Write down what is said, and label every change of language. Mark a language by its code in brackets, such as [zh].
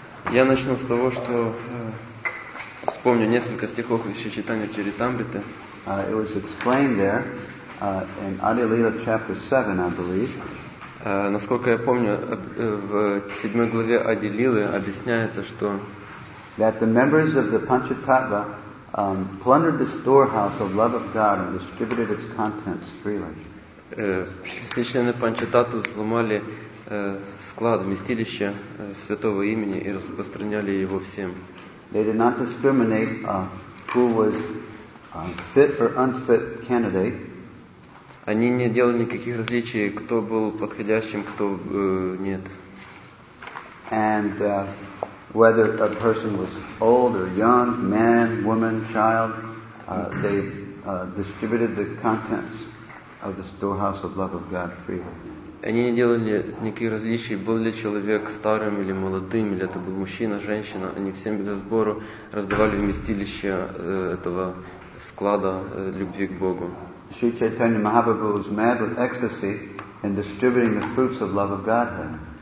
[ru] Я начну с того, что вспомню несколько стихов из Чайтанья Чаритамриты. [en] It was explained there in Adilila chapter 7, I believe. [ru] Насколько я помню, в 7 главе Адилилы объясняется, что [en] that the members of the Panchatattva plundered the storehouse of love of God and distributed its contents freely. [ru] Священные Панчататвы взломали склад, вместилище святого имени и распространяли его всем. [en] They did not discriminate who was fit or unfit candidate. [ru] Они не делали никаких различий, кто был подходящим, кто нет. [en] And whether a person was old or young, man, woman, child, they distributed the contents of the storehouse of love of God freely. [ru] Они не делали никаких различий, был ли человек старым или молодым, или это был мужчина, женщина. Они всем без разбору раздавали вместилище этого склада любви к Богу. [en] Шри Чайтанья Махапрабху was mad with ecstasy in distributing the fruits of love of Godhead.